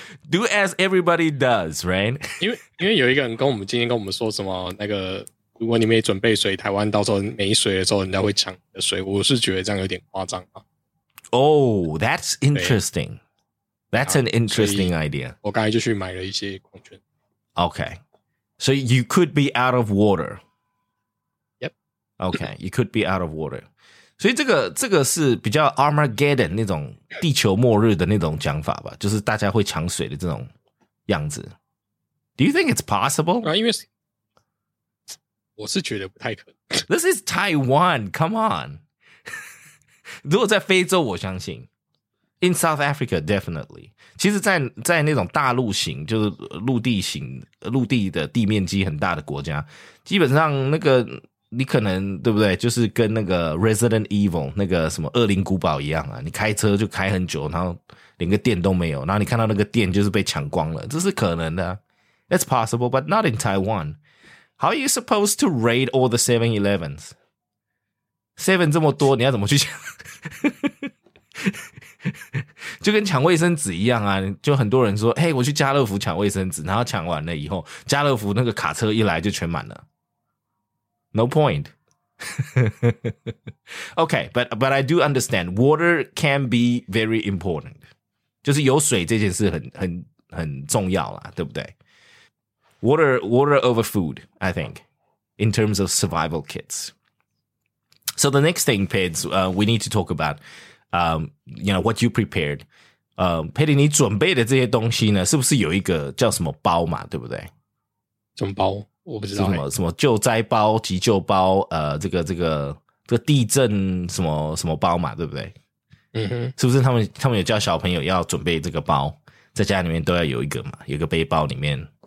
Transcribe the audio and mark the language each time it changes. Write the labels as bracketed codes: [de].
[en] Do as everybody does, right? [zh] 因为有一个人跟我们今天跟我们说什么，那个如果你没准备水，台湾到时候没水的时候，人家会抢你的水。我是觉得这样有点夸张啊。 [en] Oh, that's interesting. That's an interesting idea. [zh] 我刚才就去买了一些矿泉水。 [en] Okay, so you could be out of water. Yep. Okay, you could be out of water. [zh] 所以这个是比较 Armageddon 那种地球末日的那种讲法吧，就是大家会抢水的这种样子。 [en] Do you think it's possible? [zh] 啊，因为我是觉得不太可能。 [en] This is Taiwan, come on. [zh] 如果在非洲，我相信。 [en] In South Africa, definitely. [zh] 其实在那种大陆型，就是陆地的地面积很大的国家，基本上那个。你可能对不对？就是跟那个 Resident Evil 那个什么恶灵古堡一样啊！你开车就开很久，然后连个电都没有，然后你看到那个电就是被抢光了，这是可能的。 [en] It's possible, but not in Taiwan. How are you supposed to raid all the 7-Elevens? [zh] Seven 这么多，你要怎么去抢？就跟抢卫生纸一样啊！就很多人说，嘿，我去家乐福抢卫生纸，然后抢完了以后，家乐福那个卡车一来就全满了。 [en] No point. Okay, but I do understand. Water can be very important. [zh] 就是有水这件事很重要啦，对不对？ [en] Water over food, I think, in terms of survival kits. So the next thing, Peds, we need to talk about, you know, what you prepared. [zh] Peds, 你准备的这些东西呢，是不是有一个叫什么包嘛，对不对？什么包？我不知道什么什么救灾包、急救包，这个地震什么什么包嘛，对不对？嗯哼，是不是他们有叫小朋友要准备这个包，在家里面都要有一个嘛，有一个背包里面